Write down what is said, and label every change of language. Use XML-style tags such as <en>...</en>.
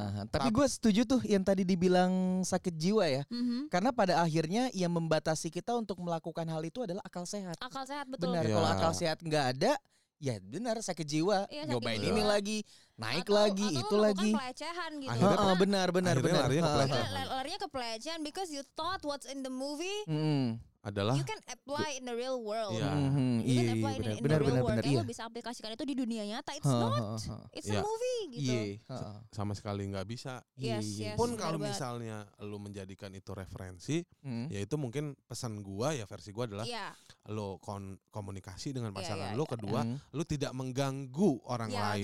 <id>Tapi gue setuju tuh yang tadi dibilang sakit jiwa ya. Karena pada akhirnya yang membatasi kita untuk melakukan hal itu adalah akal sehat. Akal sehat, betul. Benar, kalau akal sehat gak ada, ya benar, sakit jiwa. Nyobain ini lagi, naik atau, lagi, atau itu lagi. Atau melakukan pelecehan gitu. Benar.</id> <en>Larinya ke pelecehan because you thought what's in the movie.</en> <id>Adalah</id> <en>you can apply in the real world.</en> <id>Benar. Lo bisa aplikasikan itu di dunia nyata.</id> <en>It's a movie gitu.</en> <id>Sama sekali enggak bisa. Pun kalau misalnya lo menjadikan itu referensi, ya itu mungkin pesan gua ya, versi gua adalah lo komunikasi dengan pasangan lo, kedua, lo tidak mengganggu orang lain.</id>